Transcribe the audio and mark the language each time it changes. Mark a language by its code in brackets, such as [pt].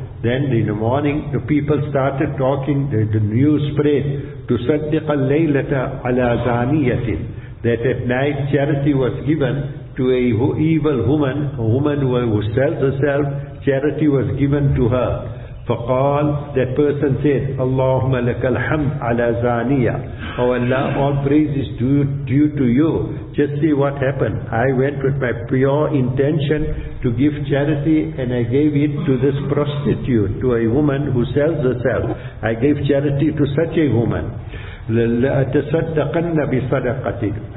[en] Then in the morning the people started talking, the news spread, [ar] تُصَدِّقَ اللَّيْلَةَ عَلَى زَانِيَةٍ, [en] that at night charity was given to a evil woman, a woman who sells herself, charity was given to her. [ar] فقال, [en] that person said, [ar] اللهم لك الحمد على زانية. [en] Oh Allah, all praise is due to you. Just see what happened. I went with my pure intention to give charity, and I gave it to this prostitute, to a woman who sells herself. I gave charity to such a woman. [ar] لَتَصَدَّقَنَّ بِصَدَقَتِكَ.